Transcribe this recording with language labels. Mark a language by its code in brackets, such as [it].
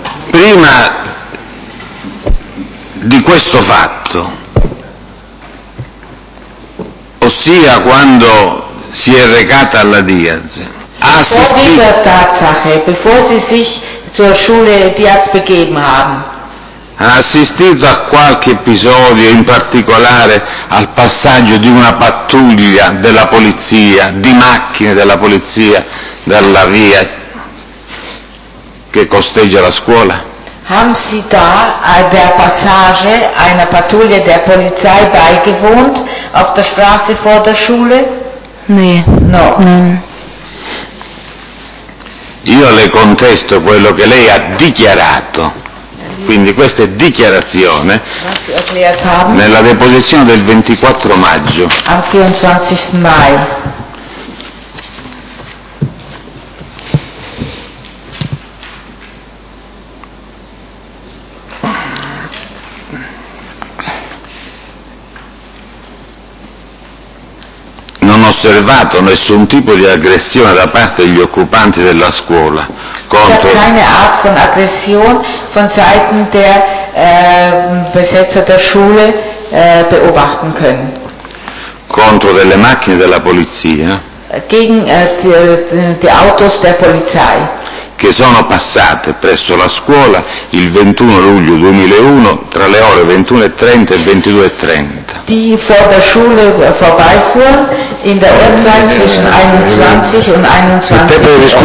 [it] Prima di questo fatto, ossia quando si è recata alla Diaz, ha assistito. [de] Tatsache, bevor sie sich zur Schule Diaz begeben haben. [it] Ha assistito a qualche episodio, in particolare al passaggio di una pattuglia della polizia, di macchine della polizia dalla via che costeggia la scuola? [de] Haben Sie da der Passage einer Patrouille der Polizei beigewohnt auf der Straße vor der Schule? Nein. [it] No. [de] Nein. [it] Io le contesto quello che lei ha dichiarato. Quindi questa è dichiarazione nella deposizione del 24 maggio. [de] Am 24. Mai. [it] Osservato nessun tipo di aggressione da parte degli occupanti della scuola contro. [de] Keine Art von Aggression von Seiten der Besetzer der Schule beobachten können. [it] Contro delle macchine della polizia. [de] Gegen die Autos der Polizei. [it] Che sono passate presso la scuola il 21 luglio 2001 tra le ore 21:30 e 22:30. [de] Die vor der Schule vorbeifuhren. In der Uhrzeit zwischen 21 und 21.